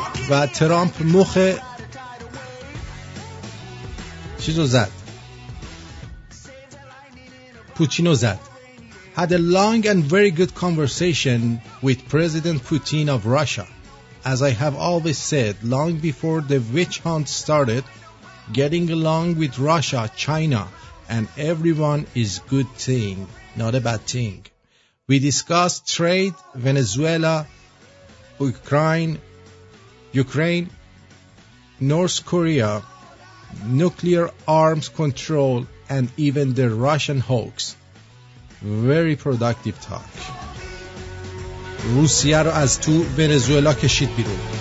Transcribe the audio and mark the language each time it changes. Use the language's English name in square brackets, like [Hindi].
[Persian] و ترامپ مخ چیزو زد، پوتینو زد. [English] Had a long and very good conversation with President Putin of Russia. As I have always said, long before the witch hunt started, getting along with Russia, China and everyone is good thing, not a bad thing. We discussed trade, Venezuela, Ukraine, North Korea, nuclear arms control, and even the Russian hoax. Very productive talk. [Persian] روسیه رو از تو ونزوئلا کشید بیرون.